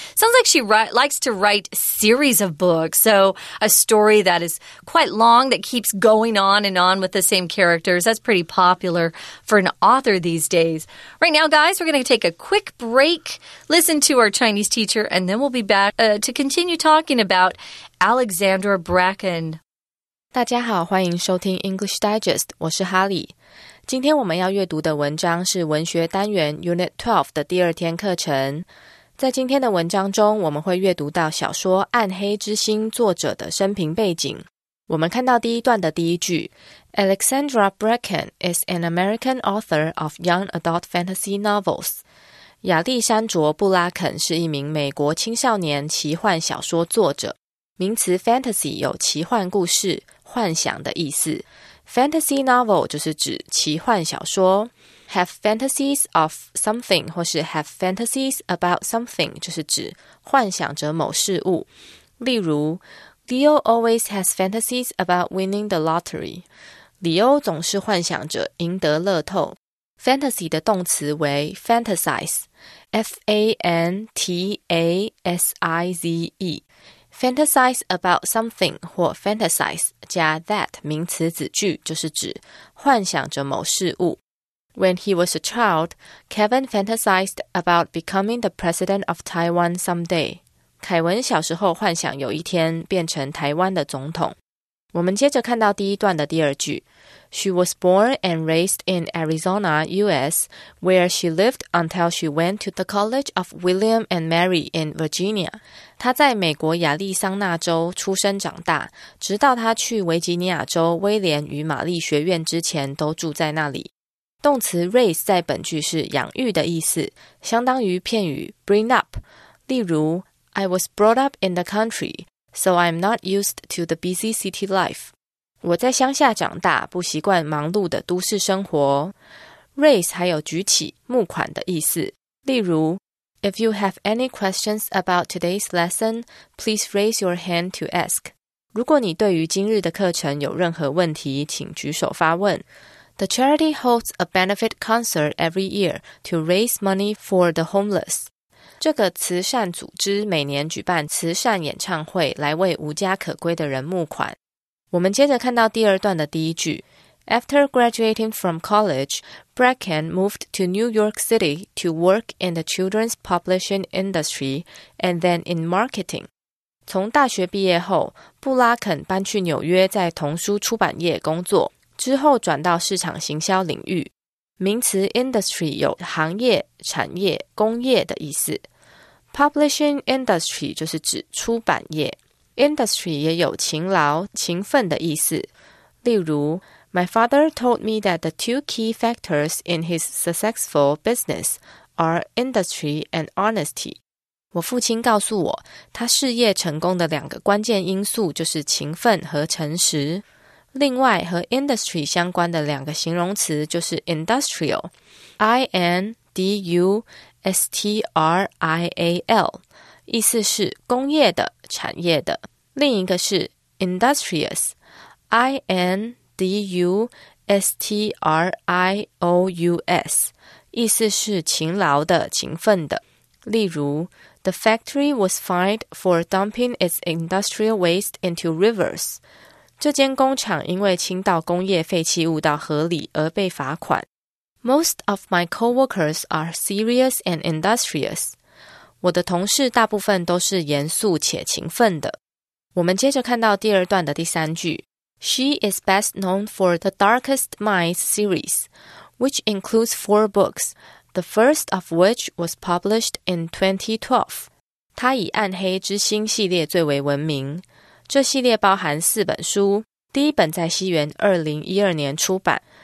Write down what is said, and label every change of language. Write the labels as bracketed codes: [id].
[en] Sounds like she likes to write series of books, so a story that is quite long that keeps going on and on with the same characters. That's pretty popular for an author these days. Right now, guys, we're going to take a quick break, listen to our Chinese teacher, and then we'll be back to continue talking about Alexandra Bracken. [zh] 大家好，欢迎收听 English Digest， 我是哈利。今天我们要阅读的文章是文学单元 Unit 12的第二天课程。在今天的文章中，我们会阅读到小说《暗黑之心》作者的生平背景。我们看到第一段的第一句 [en] ，Alexandra Bracken is an American author of young adult fantasy novels。 [zh] 亚历山卓·布拉肯是一名美国青少年奇幻小说作者。名词 fantasy 有奇幻故事、幻想的意思。 Fantasy novel 就是指奇幻小说。 [en] Have fantasies of something [zh] 或是 [en] have fantasies about something [zh] 就是指幻想着某事物。 [en] 例如 ,Leo always has fantasies about winning the lottery. [zh] 李欧总是幻想着赢得乐透。 Fantasy 的动词为 fantasize, F-A-N-T-A-S-I-Z-E。 [en] Fantasize about something [zh] 或 fantasize 加 that 名词子句就是指幻想着某事物。 [en] When he was a child, Kevin fantasized about becoming the president of Taiwan someday. [zh] 凯文小时候幻想有一天变成台湾的总统。我们接着看到第一段的第二句。 [en] She was born and raised in Arizona, U.S., where she lived until she went to the College of William and Mary in Virginia. [zh] 她在美国亚利桑那州出生长大，直到她去维吉尼亚州威廉与玛丽学院之前都住在那里。动词 raise 在本句是养育的意思，相当于片语 bring up。 [en] 例如 ，I was brought up in the country, so I'm not used to the busy city life. [zh] 我在乡下长大，不习惯忙碌的都市生活。Raise 还有举起、募款的意思。例如 [en] If you have any questions about today's lesson, please raise your hand to ask. [zh] 如果你对于今日的课程有任何问题，请举手发问。 [en] The charity holds a benefit concert every year to raise money for the homeless. [zh] 这个慈善组织每年举办慈善演唱会来为无家可归的人募款。我们接着看到第二段的第一句。 [en] After graduating from college, Bracken moved to New York City to work in the children's publishing industry and then in marketing. [zh] 从大学毕业后，布拉肯搬去纽约在童书出版业工作，之后转到市场行销领域。名词 industry 有行业、产业、工业的意思。 Publishing industry 就是指出版业。Industry 也有勤劳、勤奋的意思。 [en] 例如My father told me that the two key factors in his successful business are industry and honesty. [zh] 我父亲告诉我，他事业成功的两个关键因素就是勤奋和诚实。另外，和 industry 相关的两个形容词就是 industrial, I-N-D-U-S-T-R-I-A-L, 意思是工业的、产业的。另一个是 industrious, I-N-D-U-S-T-R-I-O-U-S, 意思是勤劳的、勤奋的。 [en] 例如 ,The factory was fined for dumping its industrial waste into rivers. [zh] 这间工厂因为倾倒工业废弃物到河里而被罚款。 [en] Most of my coworkers are serious and industrious. [zh] 我的同事大部分都是严肃且勤奋的。我们接着看到第二段的第三句。 [en] She is best known for the Darkest Minds series, which includes four books, the first of which was published in 2012. [zh] 她以暗黑之心系列最为闻名。这系列包含四本书，第一本在西元2012年出版。